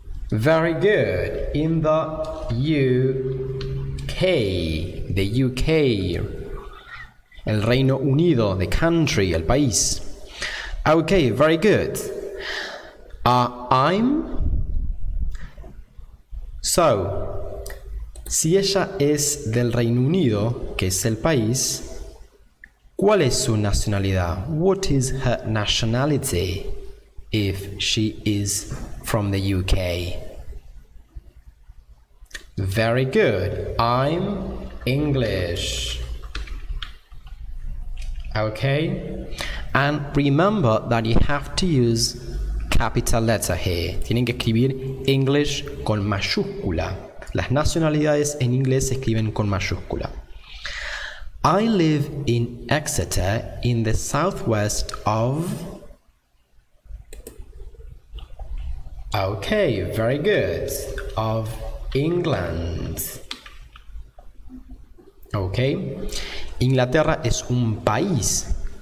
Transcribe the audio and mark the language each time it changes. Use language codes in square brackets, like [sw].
[en] Very good, in the UK, the UK, el Reino Unido, the country, [es] el país. [en] Okay, very good. I'm... [es] So, si ella es del Reino Unido, que es el país, ¿cuál es su nacionalidad? [en] What is her nationality if she is from the UK? Very good. I'm English. Okay. And remember that you have to use capital letter here. [es] Tienen que escribir English con mayúscula. Las nacionalidades en inglés se escriben con mayúscula. [en] I live in Exeter in the southwest of... Okay, very good. Of England. [es] Okay. Inglaterra es un país.